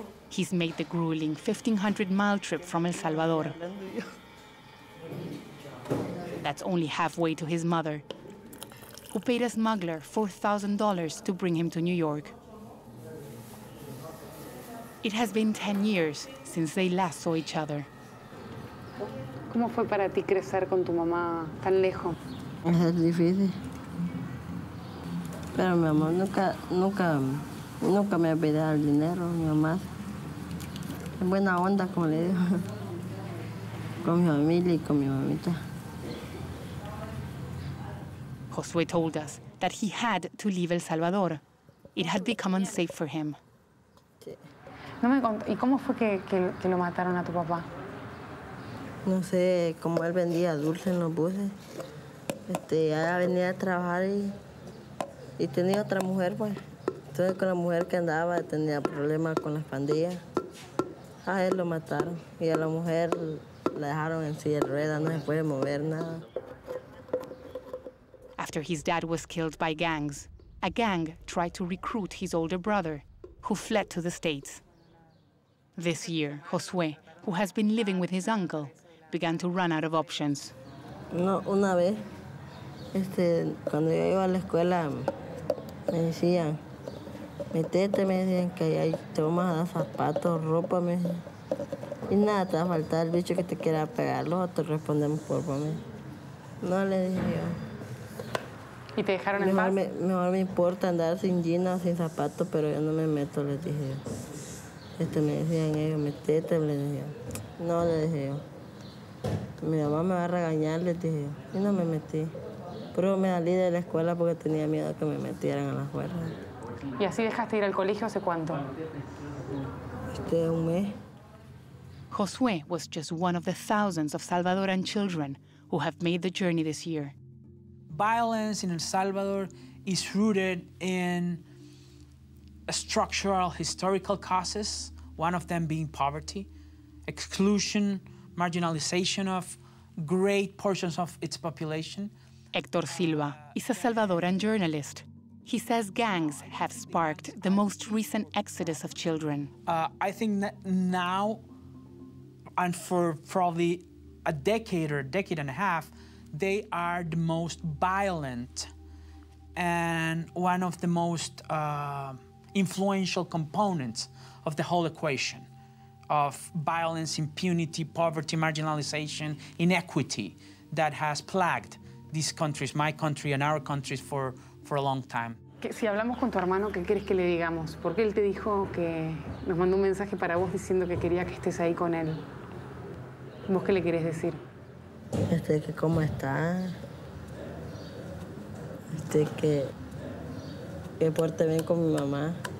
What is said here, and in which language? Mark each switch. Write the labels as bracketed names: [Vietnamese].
[English] He's made the grueling 1,500-mile trip from El Salvador. That's only halfway to his mother, who paid a smuggler $4,000 to bring him to New York. It has been 10 years since they last saw each other. [Spanish] ¿Cómo fue para ti crecer con tu mamá tan lejos? Es difícil. Pero mi mamá nunca, nunca... Nunca me olvidé del dinero, mi mamá. Es buena onda, como le digo. Con mi familia y con mi mamita. [English] Josue told us that he had to leave El Salvador. It had become unsafe for him. [Spanish] Sí. No me contó. ¿Y cómo fue que lo mataron a tu papá? No sé, como él vendía dulce en los buses. Este, ya venía a trabajar y tenía otra mujer, pues. Entonces con la mujer que andaba tenía problemas con las pandillas. A él lo mataron y a la mujer la dejaron en silla de ruedas, no se puede mover nada. [English] After his dad was killed by gangs, a gang tried to recruit his older brother, who fled to the States. This year, Josue, who has been living with his uncle, began to run out of options. [Spanish] No, una vez, este, cuando yo iba a la escuela, me decían, metete, me decían que ahí te vamos a dar zapatos, ropa, me decían. Y nada, te va a faltar el bicho que te quiera pegar, los otros respondemos por mí. No le dije yo. ¿Y te dejaron mejor en paz? Mejor me importa andar sin jeans o sin zapatos, pero yo no me meto, le dije yo. Este, me decían ellos, metete, le dije yo. No le dije yo. Mi mamá me va a regañar, le dije yo. Y no me metí. pero me salí de la escuela porque tenía miedo que me metieran a la fuerza. ¿Y así dejaste ir al colegio hace cuánto? Un mes. [English] Josué was just one of the thousands of Salvadoran children who have made the journey this year. Violence in El Salvador is rooted in structural historical causes, one of them being poverty, exclusion, marginalization of great portions of its population. Héctor Silva is a Salvadoran journalist. He says gangs have sparked the most recent exodus of children. I think that now, and for probably a decade or a decade and a half, they are the most violent and one of the most influential components of the whole equation of violence, impunity, poverty, marginalization, inequity that has plagued these countries, my country and our countries, for a long time. [Spanish] Si hablamos con tu hermano, ¿qué quieres que le digamos? ¿Por qué él te dijo que nos mandó un mensaje para vos diciendo que quería que estés ahí con él? ¿Vos qué le quieres decir? Que cómo está. Que porte bien con mi mamá.